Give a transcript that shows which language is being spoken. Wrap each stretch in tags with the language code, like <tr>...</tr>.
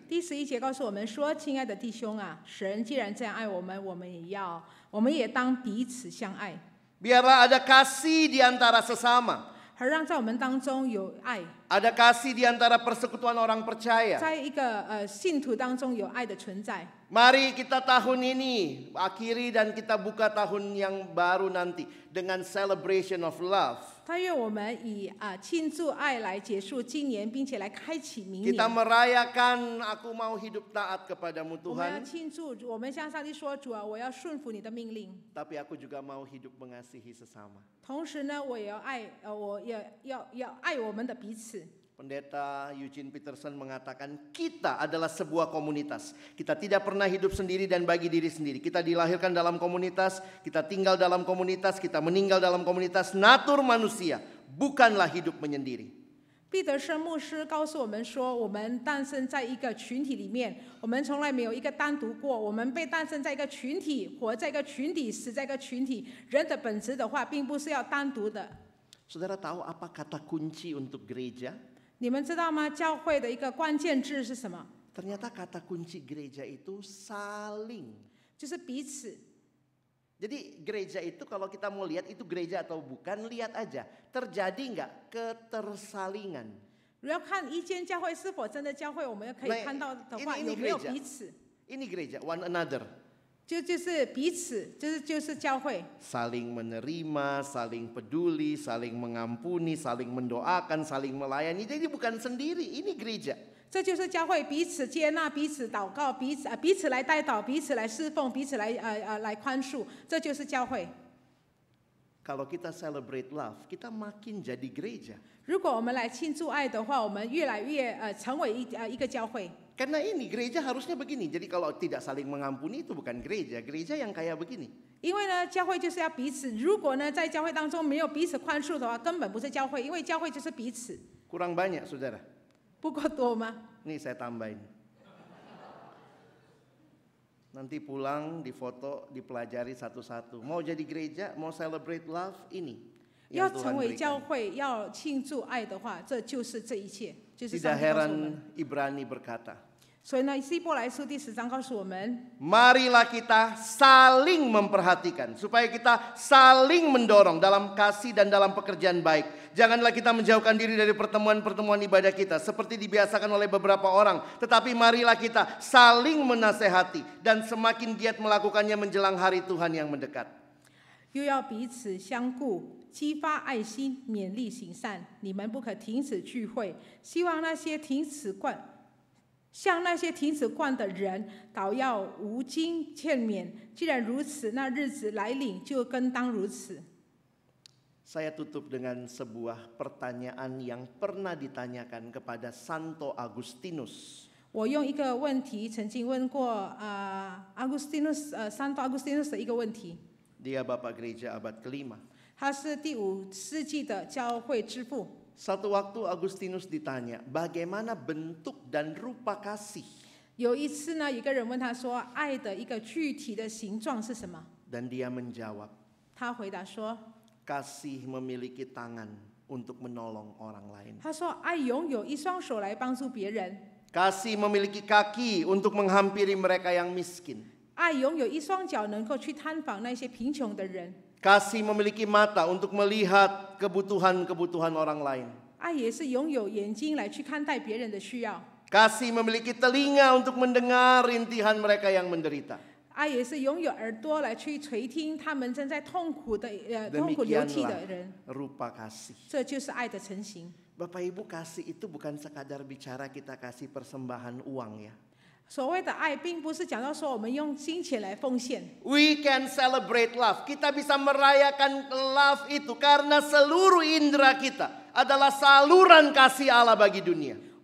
<zh>第十一节告诉我们说，亲爱的弟兄啊，神既然这样爱我们，我们也当彼此相爱。</zh> <id>Biarlah ada kasih di antara sesama.</id> <zh>好让在我们当中有爱。</zh> <id>Ada kasih di antara persekutuan orang percaya.</id> <zh>在一个信徒当中有爱的存在。</zh> <id>Mari kita tahun ini akhiri dan kita buka tahun yang baru nanti dengan</id> <en>celebration of love.</en> <zh>但愿我们以庆祝爱来结束今年，并且来开启明年。</zh> <id>Kita merayakan aku mau hidup taat kepadamu Tuhan.</id> <zh>我们要庆祝，我们向上帝说，主啊，我要顺服你的命令。</zh> <id>Tapi aku juga mau hidup mengasihi sesama.</id> <zh>同时呢，我也要爱，我也要爱我们的彼此。</zh> <id>Pendeta Eugene Peterson mengatakan kita adalah sebuah komunitas. Kita tidak pernah hidup sendiri dan bagi diri sendiri. Kita dilahirkan dalam komunitas, kita tinggal dalam komunitas, kita meninggal dalam komunitas. Natur manusia bukanlah hidup menyendiri.</id> <zh>Peter 神牧师告诉我们说，我们诞生在一个群体里面，我们从来没有一个单独过。我们被诞生在一个群体，活在一个群体，死在一个群体。人的本质的话，并不是要单独的。</zh> <id>Saudara tahu apa kata kunci untuk gereja？</id> <zh>你们知道吗？教会的一个关键字是什么？</zh> <id>Ternyata kata kunci gereja itu saling，</id> <zh>就是彼此。</zh> <id>Jadi gereja itu kalau kita mau lihat itu gereja atau bukan, lihat aja terjadi enggak ketersalingan。</id> <zh>要看一间教会是否真的教会，我们可以看到的话有没有彼此。</zh> <id>Ini gereja,</id> <en>one another。</en> <zh>就是彼此，就是教会。</zh> <id>Saling menerima, saling peduli, saling mengampuni, saling mendoakan, saling melayani. Jadi bukan sendiri, ini gereja.</id> <zh>这就是教会彼此接纳、彼此祷告、彼此来带祷、彼此来侍奉、彼此来宽恕。这就是教会。</zh> <id>Kalau kita</id> <en>celebrate love,</en> <id>kita makin jadi gereja.</id> <zh>如果我们来庆祝爱的话，我们越来越成为一个教会。</zh> <id>Karena ini gereja harusnya begini. Jadi kalau tidak saling mengampuni itu bukan gereja. Gereja yang kayak begini.</id> <zh>因为呢，教会就是要彼此。如果呢，在教会当中没有彼此宽恕的话，根本不是教会。因为教会就是彼此。</zh> <id>Kurang banyak, saudara.</id> <zh>不够多吗？</zh> <id>Nih saya tambahin. Nanti pulang difoto, dipelajari satu-satu. Mau jadi gereja, mau</id> <en>celebrate love</en> <id>ini.</id> <zh>要成为教会，要庆祝爱的话，这就是这一切。</zh> <id>Tidak heran Ibrani berkata.</id> <zh>所以呢，希伯来书第十章告诉我们。</zh> <id>Marilah kita saling memperhatikan supaya kita saling mendorong dalam kasih dan dalam pekerjaan baik. Janganlah kita menjauhkan diri dari pertemuan-pertemuan ibadah kita seperti dibiasakan oleh beberapa orang. Tetapi marilah kita saling menasehati dan semakin giat melakukannya menjelang hari Tuhan yang mendekat.</id> <zh>又要彼此相顾。激发爱心，勉励行善。你们不可停止聚会，希望那些停止惯，像那些停止惯的人，倒要无精欠勉。既然如此，那日子来临就更当如此。</zh> <id>Saya tutup dengan sebuah pertanyaan yang pernah ditanyakan kepada Santo Agustinus。</id> <zh>我用一个问题曾经问过Agustinus, Santo Agustinus 的一个问题。</zh> <id>Dia bapak gereja abad kelima。</id> <zh>他是第五世纪的教会之父。</zh> <id>Satu waktu Agustinus ditanya, bagaimana bentuk dan rupa kasih?</id> <zh>有一次呢，一个人问他说，爱的一个具体的形状是什么？</zh> <id>Dan dia menjawab.</id> <zh>他回答说，</zh> <id>kasih memiliki tangan untuk menolong orang lain.</id> <zh>他说, 爱拥有一双手来帮助别人。</zh> <id>Kasih memiliki kaki untuk menghampiri mereka yang miskin.</id> <zh>爱拥有一双脚能够去探访那些贫穷的人。</zh> <id>Kasih memiliki mata untuk melihat kebutuhan-kebutuhan orang lain.</id> <zh>爱也是拥有眼睛来去看待别人的需要。</zh> <id>Kasih memiliki telinga untuk mendengar rintihan mereka yang menderita.</id> <zh>爱也是拥有耳朵来去垂听他们正在痛苦流涕的人。</zh> <id>Rupa kasih.</id> <zh>这就是爱的成形。</zh> <id>Bapak Ibu, kasih itu bukan sekadar bicara kita kasih persembahan uang ya.</id> <zh>所谓的爱并不是讲到说我们用金钱来奉献。</zh> <en>We can celebrate love.</en> <id>Kita bisa merayakan love itu karena seluruh indera kita adalah saluran kasih Allah bagi dunia.</id>